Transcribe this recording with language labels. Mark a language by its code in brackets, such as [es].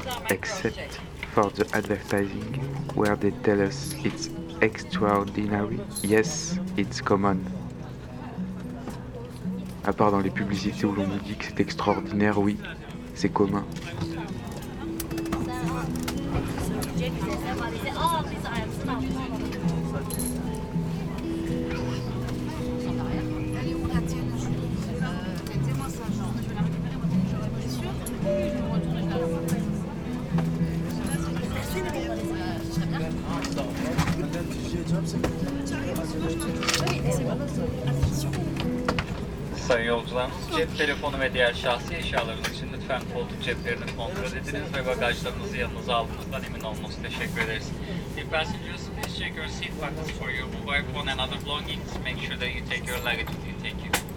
[en] Except for the advertising where they tell us it's extraordinary. Yes, it's common. [fr] À part dans les publicités où l'on nous dit que c'est extraordinaire, oui. C'est commun. [tr] Sayın yolcularımız, cep telefonu ve diğer şahsi eşyalarınız için lütfen koltuk ceplerini kontrol ediniz ve bagajlarınızı yanınıza aldığınızdan emin olmanızı teşekkür ederiz. [en] If passengers, please check your seat buttons for your mobile phone and other belongings. Make sure that you take your luggage with you. Thank you.